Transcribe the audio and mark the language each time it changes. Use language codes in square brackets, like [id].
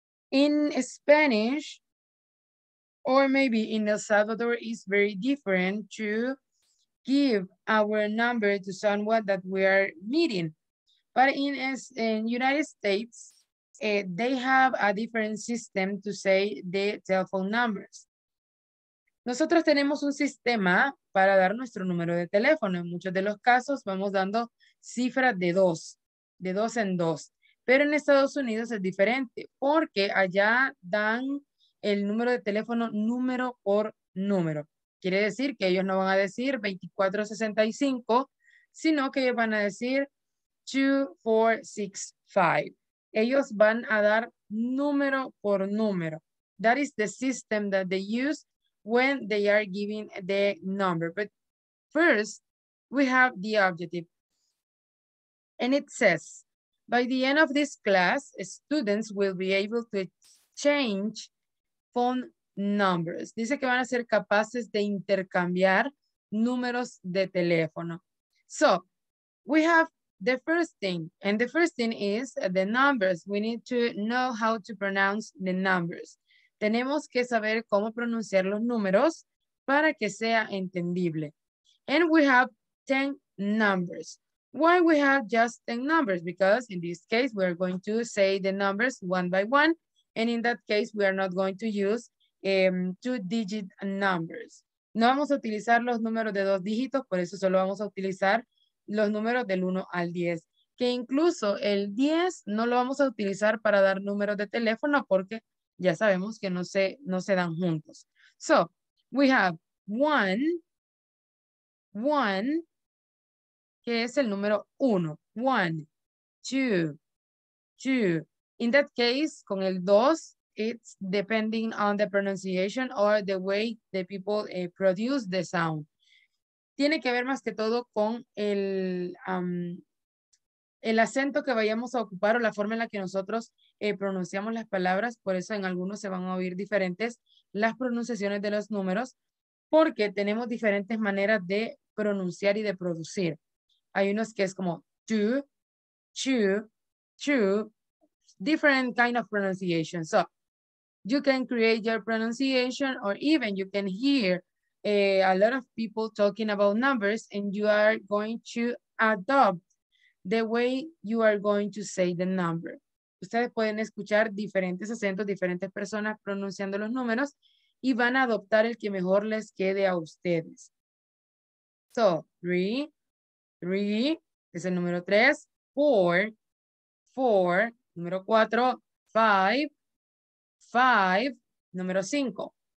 [en] In Spanish, or maybe in El Salvador, it's very different to give our number to someone that we are meeting. But in United States, they have a different system to say the telephone numbers. [es] Nosotros tenemos un sistema para dar nuestro número de teléfono. En muchos de los casos vamos dando cifras de dos en dos. Pero en Estados Unidos es diferente porque allá dan el número de teléfono número por número. Quiere decir que ellos no van a decir 2465, sino que ellos van a decir 2465. Ellos van a dar número por número. [en] That is the system that they use when they are giving the number. But first, we have the objective. And it says, by the end of this class, students will be able to exchange phone numbers. [es] Dice que van a ser capaces de intercambiar números de teléfono. [en] So, we have the first thing, and the first thing is the numbers. We need to know how to pronounce the numbers. [es] Tenemos que saber cómo pronunciar los números para que sea entendible. [en] And we have 10 numbers. Why we have just 10 numbers? Because in this case, we are going to say the numbers one by one. And in that case, we are not going to use two-digit numbers. [es] No vamos a utilizar los números de dos dígitos, por eso solo vamos a utilizar los números del 1 al 10, que incluso el 10 no lo vamos a utilizar para dar números de teléfono porque ya sabemos que no se dan juntos. [en] So, we have 1, [es] que es el número 1. 1, 2, 2. [en] In that case, [es] con el 2, [en] it's depending on the pronunciation or the way the people produce the sound. [es] Tiene que ver más que todo con el acento que vayamos a ocupar o la forma en la que nosotros pronunciamos las palabras. Por eso en algunos se van a oír diferentes las pronunciaciones de los números, porque tenemos diferentes maneras de pronunciar y de producir. Hay unos que es como [en] two, two, two, different kind of pronunciation. So, you can create your pronunciation, or even you can hear a lot of people talking about numbers, and you are going to adopt the way you are going to say the number. [es] Ustedes pueden escuchar diferentes acentos, diferentes personas pronunciando los números, y van a adoptar el que mejor les quede a ustedes. So, 3, 3, es el número 3. 4, 4, número 4. 5, 5, número 5.